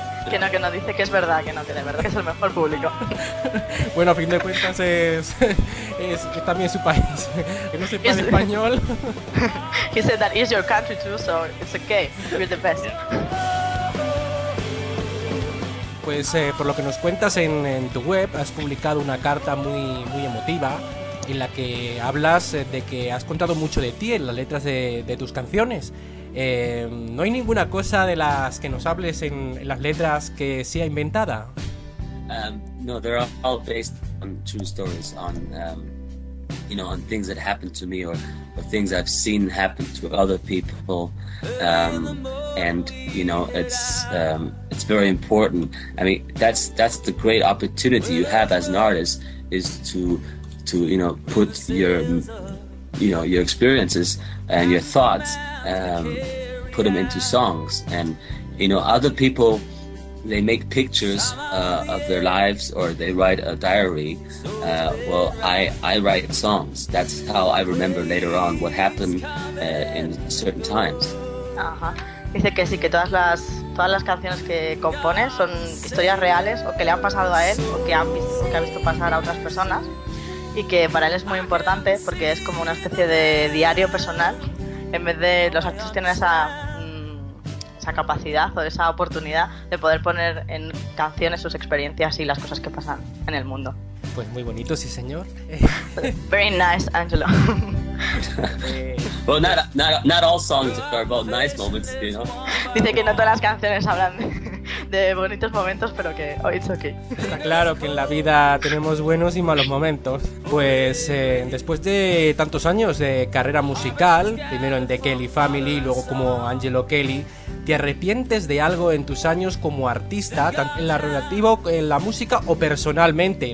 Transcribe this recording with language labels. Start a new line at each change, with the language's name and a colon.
Spanish: Que no, dice que es verdad, que de verdad que es el mejor público. Bueno, a fin de cuentas es también su país. Que no sepa español.
English: He said that is your country too, so it's okay. You're the best.
Spanish: Pues por lo que nos cuentas en tu web, has publicado una carta muy, muy emotiva en la que hablas de que has contado mucho de ti en las letras de tus canciones. ¿No hay ninguna cosa de las que nos hables en las letras que sea inventada?
English: No, they're all based on true stories, on you know, on things that happened to me or things I've seen happen to other people, and you know, it's very important. I mean, that's the great opportunity you have as an artist is to you know, put your, you know, your experiences and your thoughts, put them into songs. And you know, other people, they make pictures of their lives or they write a diary. Well, I write songs. That's how I remember later on what happened in certain times. Uh-huh.
Spanish: Dice que sí, que todas las canciones que compone son historias reales o que le han pasado a él o que ha visto pasar a otras personas. Y que para él es muy importante porque es como una especie de diario personal. En vez de los artistas tienen esa capacidad o esa oportunidad de poder poner en canciones sus experiencias y las cosas que pasan en el mundo. Pues muy bonito, sí señor.
English: Very nice, Angelo. Well, not all songs are about nice moments, you know.
Spanish: Dice que no todas las canciones hablan de bonitos momentos, pero que oh,
English: it's okay.
Spanish: Está claro que en la vida tenemos buenos y malos momentos. Pues después de tantos años de carrera musical, primero en The Kelly Family, luego como Angelo Kelly, ¿te arrepientes de algo en tus años como artista, tanto en la relativa, en la música o personalmente?